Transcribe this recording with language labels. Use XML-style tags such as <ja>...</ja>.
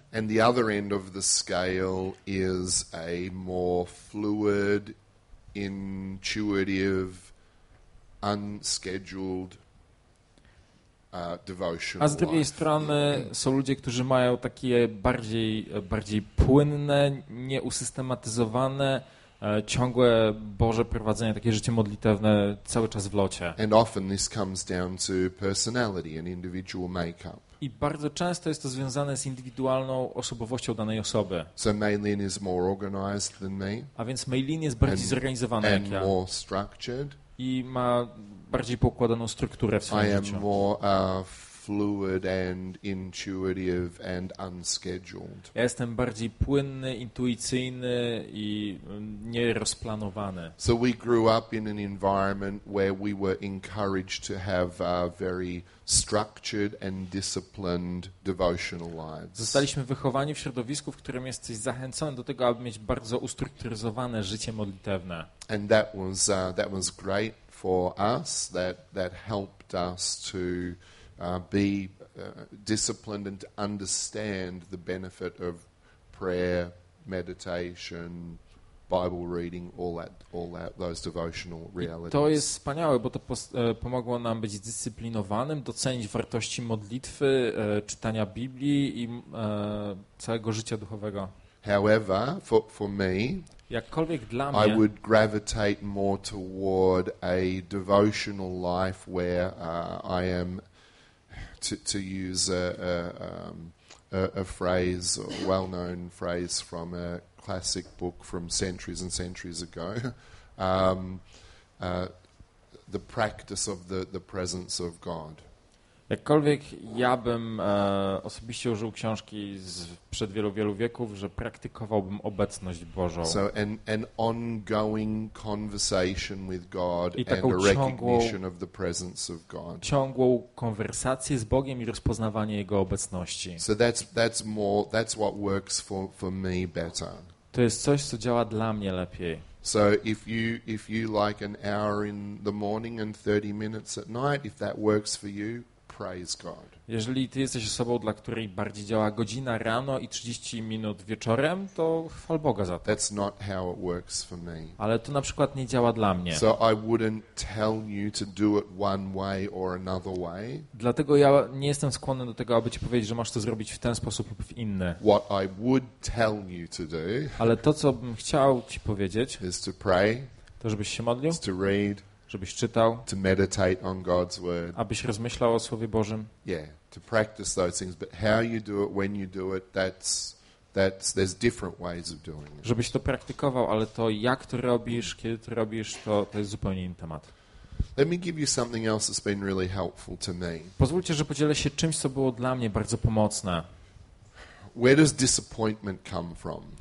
<en>And the other end of the scale is a more fluid, intuitive, unscheduled devotional.</en> <pl>A z drugiej strony są ludzie, którzy mają takie bardziej płynne, nieusystematyzowane, ciągłe Boże prowadzenie, takie życie modlitewne cały czas w locie.</pl> <en>And often this comes down to personality and individual makeup.</en> <pl>I bardzo często jest to związane z indywidualną osobowością danej osoby.</pl> <en>So Maylin is more organized than me.</en> <pl>A więc Maylin jest bardziej zorganizowany</pl> <en>and</en> <pl>jak ja.</pl> <en>More structured.</en> <pl>I ma bardziej poukładaną strukturę w swoim życiu.</pl> <en>I am more fluid and intuitive and unscheduled.</en> <pl>Ja jestem bardziej płynny, intuicyjny i nierozplanowany.</pl> <en>So we grew up in an environment where we were encouraged to have a very structured and disciplined devotional lives.</en> <pl>Zostaliśmy wychowani w środowisku, w którym jesteś zachęcony do tego, aby mieć bardzo ustrukturyzowane życie modlitewne.</pl> <en>And that was great for us, that helped us to be disciplined and to understand the benefit of prayer, meditation, Bible reading, all that those devotional realities.</en> <pl>I to jest wspaniałe, bo to pomogło nam być dyscyplinowanym, docenić wartości modlitwy, czytania Biblii i całego życia duchowego.</pl> <en>However, for me,</en> <pl>jakkolwiek dla mnie,</pl> <en>I would gravitate more toward a devotional life where I am to use a phrase, a well-known phrase from a classic book from centuries and centuries ago, the practice of the presence of God.</en> <pl>Jakkolwiek ja bym osobiście użył książki sprzed wielu, wielu wieków, że praktykowałbym obecność Bożą.</pl> <en>So an ongoing conversation with God</en> <pl>i taką</pl> <en>and a recognition of the presence of God.</en> <pl>Ciągłą konwersację z Bogiem i rozpoznawanie Jego obecności.</pl> <en>So that's what works for me better.</en> <pl>To jest coś, co działa dla mnie lepiej.</pl> <en>So if you like an hour in the morning and 30 minutes at night, if that works for you, praise God.</en> <pl>Jeżeli ty jesteś osobą, dla której bardziej działa godzina rano i 30 minut wieczorem, to chwal Boga za to.</pl> <en>That's not how it works for me.</en> <pl>Ale to na przykład nie działa dla mnie.</pl> <en>So I wouldn't tell you to do it one way or another way.</en> <pl>Dlatego ja nie jestem skłonny do tego, aby ci powiedzieć, że masz to zrobić w ten sposób lub w inny.</pl> <en>What I would tell you to do.</en> <pl>Ale to, co bym chciał ci powiedzieć,</pl> <en>is to pray.</en> <pl>To żebyś się modlił.</pl> <en>Is to read.</en> <pl>Żebyś czytał,</pl> <en>to meditate on God's word.</en> <pl>Abyś rozmyślał o Słowie Bożym.</pl> <en>Yeah, to practice those things, but how you do it, when you do it, that's there's different ways of doing it.</en> <pl>Żebyś to praktykował, ale to jak to robisz, kiedy to robisz, to jest zupełnie inny temat.</pl> <en>Let me give you something else that's been really helpful to me.</en> <pl>Pozwólcie, że podzielę się czymś, co było dla mnie bardzo pomocne.</pl> <en>Where does disappointment come from?</en>